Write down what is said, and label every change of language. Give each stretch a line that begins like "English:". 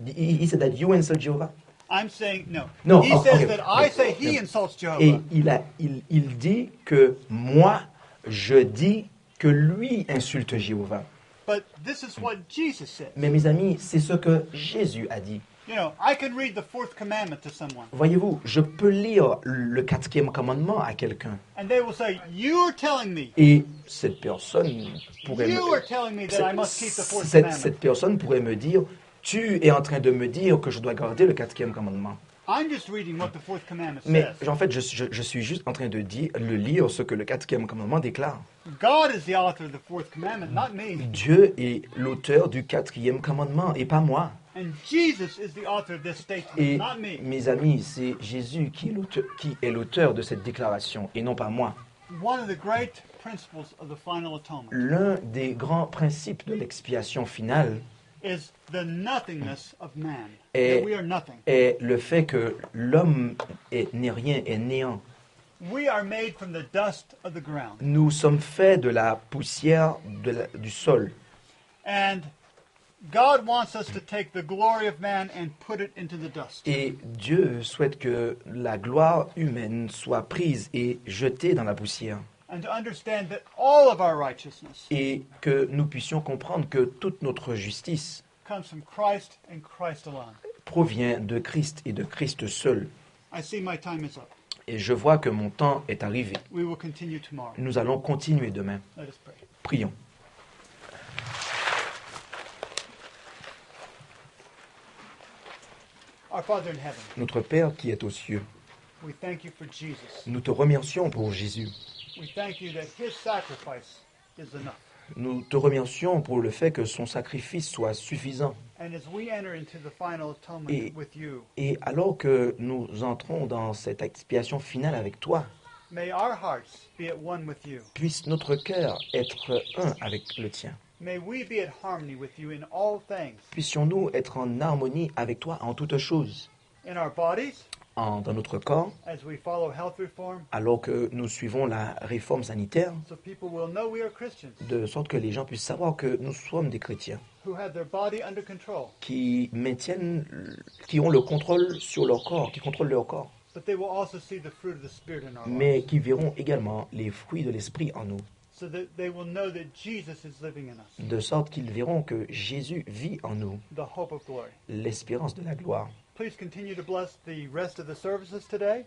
English: He said that you insult Jehovah. I'm saying no. No, he oh, says okay. that I say he no. insults Jehovah.
French: Et il dit que moi, je dis que lui insulte Jéhovah.
English: But this is what Jesus said.
French: Mais mes amis, c'est ce que Jésus a dit.
English: You know, I can read the fourth commandment to someone.
French: Voyez-vous, je peux lire le quatrième commandement à quelqu'un.
English: And they will say, "You are telling me."
French: Et cette personne pourrait
English: me. You are telling me that I must keep the fourth commandment.
French: Cette personne pourrait me dire, tu es en train de me dire que je dois garder le quatrième commandement.
English: I'm just reading what the fourth commandment says.
French: Mais en fait, je suis juste en train de lire ce que le quatrième commandement déclare.
English: God is the author of the fourth commandment, not me.
French: Dieu est l'auteur du quatrième commandement et pas moi.
English: And Jesus is the author of this statement,
French: et
English: not me.
French: Mes amis, c'est Jésus qui est l'auteur de cette déclaration, et non pas moi.
English: One of the great principles of the final atonement.
French: L'un des grands principes de l'expiation finale
English: is the nothingness of man.
French: Est,
English: that we are nothing.
French: Est le fait que l'homme est, n'est rien, est néant.
English: We are made from the dust of the ground.
French: Nous sommes faits de la poussière de la, du sol.
English: And God wants us to take the glory of man and put it into the dust.
French: Et Dieu souhaite que la gloire humaine soit prise et jetée dans la poussière.
English: And to understand that all of our righteousness.
French: Et que nous puissions comprendre que toute notre justice
English: comes from Christ and Christ alone.
French: Provient de Christ et de Christ seul.
English: I see my time is up.
French: Et je vois que mon temps est arrivé.
English: We will continue tomorrow.
French: Nous allons continuer demain.
English: Let us pray.
French: Prions.
English: Our Father in heaven.
French: Notre Père qui est aux cieux.
English: We thank you for Jesus.
French: Nous te remercions pour Jésus.
English: We thank you that his sacrifice is enough.
French: Nous te remercions pour le fait que son sacrifice soit suffisant.
English: And as we enter into the final atonement
French: et,
English: with you,
French: et alors que nous entrons dans cette expiation finale avec toi,
English: may our hearts be at one with you.
French: Puisse notre cœur être un avec le tien.
English: May we be at harmony with you in all things.
French: Puissions-nous être en harmonie avec toi en toutes choses.
English: In our bodies,
French: en, dans notre corps,
English: as we follow health reform,
French: alors que nous suivons la réforme sanitaire,
English: so people will know we are Christians,
French: de sorte que les gens puissent savoir que nous sommes des chrétiens
English: who have their body under control,
French: qui maintiennent, qui ont le contrôle sur leur corps, qui contrôlent leur corps.
English: But they will also see the fruit of the Spirit in our lives.
French: Mais qui verront également les fruits de l'Esprit en nous.
English: So that they will know that Jesus is living in us.
French: De sorte qu'ils verront que Jésus vit en nous.
English: The hope of glory.
French: L'espérance de la gloire.
English: Please continue to bless the rest of the services today.